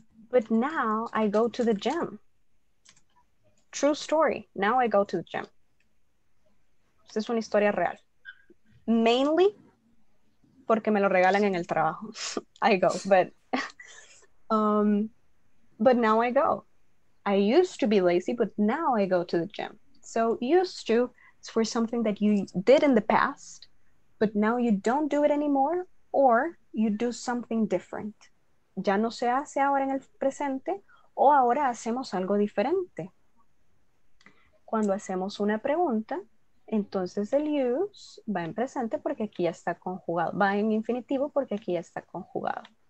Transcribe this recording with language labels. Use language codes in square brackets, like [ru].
[en] but now I go to the gym. True story. Now I go to the gym. [es] Esta es una historia real. Mainly porque me lo regalan en el trabajo. [en] I go, but now I go. I used to be lazy, but now I go to the gym. So used to is for something that you did in the past, but now you don't do it anymore, or you do something different. [es] Ya no se hace ahora en el presente, o ahora hacemos algo diferente. Cuando hacemos una pregunta, entonces el use va en presente porque aquí ya está conjugado. Va en infinitivo porque aquí ya está conjugado.